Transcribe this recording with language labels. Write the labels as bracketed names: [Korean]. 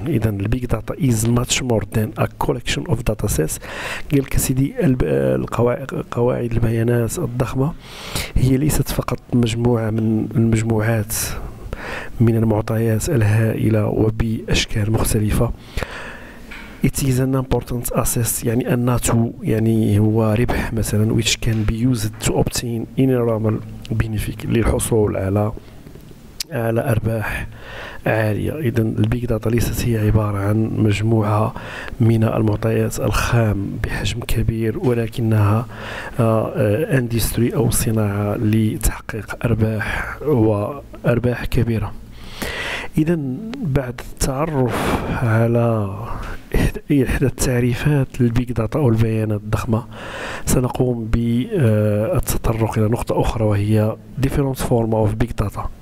[Arabic] إذن البيج داتا [English] is much more than a collection of data sets. [Arabic] قال لك سيدي قواعد البيانات الضخمة هي ليست فقط مجموعة من المجموعات من المعطيات الهائلة وبأشكال مختلفة. [English] It is an important asset, [Arabic] يعني الناتو، يعني هو ربح مثلا، [English] which can be used to obtain innumerable benefits، [Arabic] للحصول على أرباح عالية. إذن البيج داتا ليست هي عبارة عن مجموعة من المعطيات الخام بحجم كبير، ولكنها اندستري أو صناعة لتحقيق أرباح وأرباح كبيرة. إذن بعد التعرف على إحدى التعريفات للبيج داتا أو البيانات الضخمة، سنقوم بالتطرق إلى نقطة أخرى وهي [English] different form of big data.